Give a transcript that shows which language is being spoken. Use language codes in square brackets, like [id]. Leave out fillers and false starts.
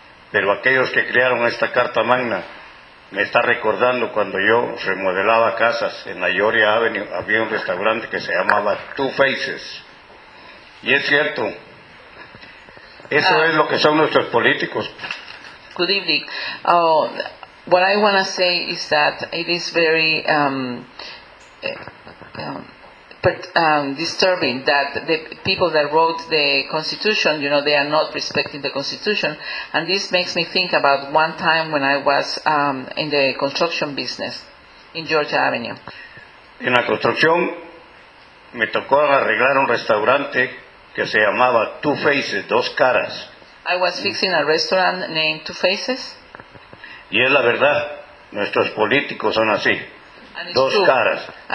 [es] Pero aquellos que crearon esta Carta Magna me está recordando cuando yo remodelaba casas en la Yoria Avenue, había un restaurante que se llamaba Two Faces. Y es cierto, eso es lo que son nuestros políticos. [en] Good evening. What I want to say is that it is very disturbing that the people that wrote the constitution, you know, they are not respecting the constitution. And this makes me think about one time when I was in the construction business in Georgia Avenue. [es] En la construcción me tocó arreglar un restaurante que se llamaba Two Faces, Dos Caras. [en] I was fixing a restaurant named Two Faces. [es] Y es la verdad, nuestros políticos son así, Dos Caras.